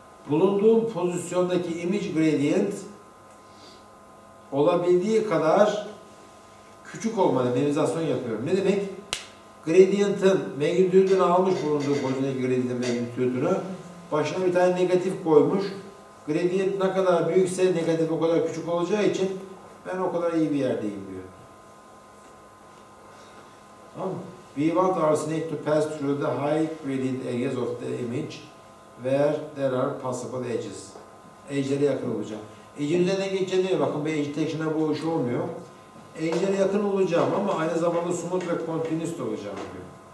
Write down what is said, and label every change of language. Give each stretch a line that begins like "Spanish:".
Turkish: Bulunduğum pozisyondaki image gradient olabildiği kadar küçük olmalı. Minimizasyon yapıyorum. Ne demek? Gradient'ın magnitude'unu almış bulunduğu pozisyondaki gradient'in magnitude'unu. Başına bir tane negatif koymuş. Gradient ne kadar büyükse negatif o kadar küçük olacağı için ben o kadar iyi bir yerdeyim diyor. Tamam mı?
English: We want our snake to pass through the high gradient areas of the image where there are possible edges.
Turkish: Edge'lere yakın olacağım. Edge'lere de geçeceğim diyor. Bakın bir edge detection'a bu iş olmuyor. Edge'lere yakın olacağım ama aynı zamanda smooth ve continuous olacağım diyor.